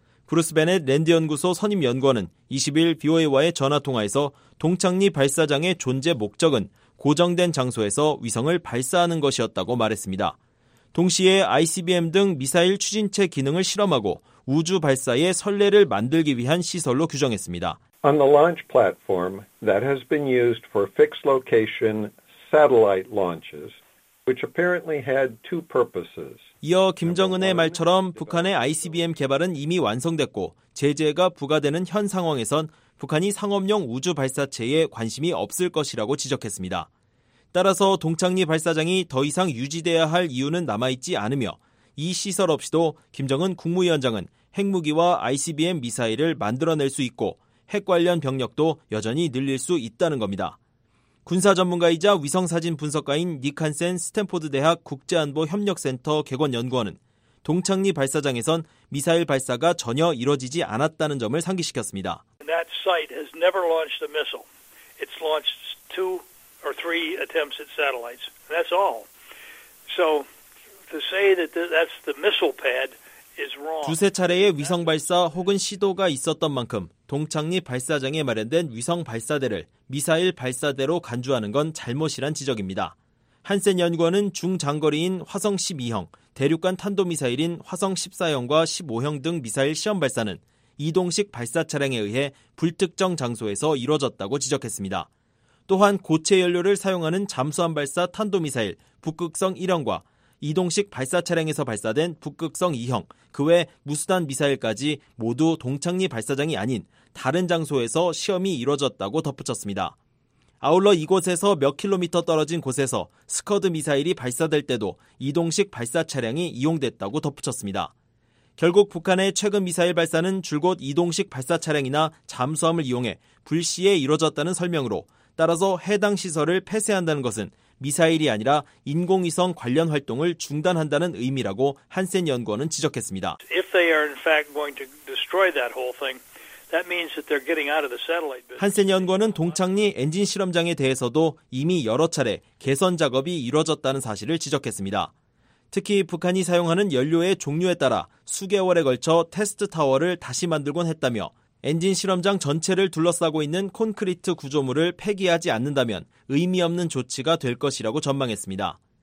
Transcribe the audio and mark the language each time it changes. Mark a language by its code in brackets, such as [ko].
[ko] 브루스 베넷 랜드연구소 선임연구원은 20일 BOA와의 전화통화에서 동창리 발사장의 존재 목적은 고정된 장소에서 위성을 발사하는 것이었다고 말했습니다. 동시에 ICBM 등 미사일 추진체 기능을 실험하고 우주 발사의 선례를 만들기 위한 시설로 규정했습니다. [en] On the launch platform that has been used for fixed location satellite launches, which apparently had two purposes. [ko] 이어 김정은의 말처럼 북한의 ICBM 개발은 이미 완성됐고 제재가 부과되는 현 상황에선 북한이 상업용 우주 발사체에 관심이 없을 것이라고 지적했습니다. 따라서 동창리 발사장이 더 이상 유지돼야 할 이유는 남아있지 않으며 이 시설 없이도 김정은 국무위원장은 핵무기와 ICBM 미사일을 만들어낼 수 있고 핵 관련 병력도 여전히 늘릴 수 있다는 겁니다. 군사 전문가이자 위성사진 분석가인 니칸센 스탠포드 대학 국제안보협력센터 객원연구원은 동창리 발사장에선 미사일 발사가 전혀 이뤄지지 않았다는 점을 상기시켰습니다. [en] That site has never launched a missile. It's launched two or three attempts at satellites. That's all. So to say that that's the missile pad is wrong. [ko] 두세 차례의 위성 발사 혹은 시도가 있었던 만큼 동창리 발사장에 마련된 위성 발사대를 미사일 발사대로 간주하는 건 잘못이란 지적입니다. 한센 연구원은 중장거리인 화성 12형, 대륙간 탄도미사일인 화성 14형과 15형 등 미사일 시험 발사는 이동식 발사 차량에 의해 불특정 장소에서 이뤄졌다고 지적했습니다. 또한 고체 연료를 사용하는 잠수함 발사 탄도미사일 북극성 1형과 이동식 발사 차량에서 발사된 북극성 2형, 그 외 무수단 미사일까지 모두 동창리 발사장이 아닌 다른 장소에서 시험이 이뤄졌다고 덧붙였습니다. 아울러 이곳에서 몇 킬로미터 떨어진 곳에서 스커드 미사일이 발사될 때도 이동식 발사 차량이 이용됐다고 덧붙였습니다. 결국 북한의 최근 미사일 발사는 줄곧 이동식 발사 차량이나 잠수함을 이용해 불시에 이뤄졌다는 설명으로 따라서 해당 시설을 폐쇄한다는 것은 미사일이 아니라 인공위성 관련 활동을 중단한다는 의미라고 한센 연구원은 지적했습니다. [en] If they are in fact going to destroy that whole thing, that means that they're getting out of the satellite business. [ko] 한센 연구원은 동창리 엔진 실험장에 대해서도 이미 여러 차례 개선 작업이 이루어졌다는 사실을 지적했습니다. 특히 북한이 사용하는 연료의 종류에 따라 수개월에 걸쳐 테스트 타워를 다시 만들곤 했다며 엔진 실험장 전체를 둘러싸고 있는 콘크리트 구조물을 폐기하지 않는다면 의미 없는 조치가 될 것이라고 전망했습니다.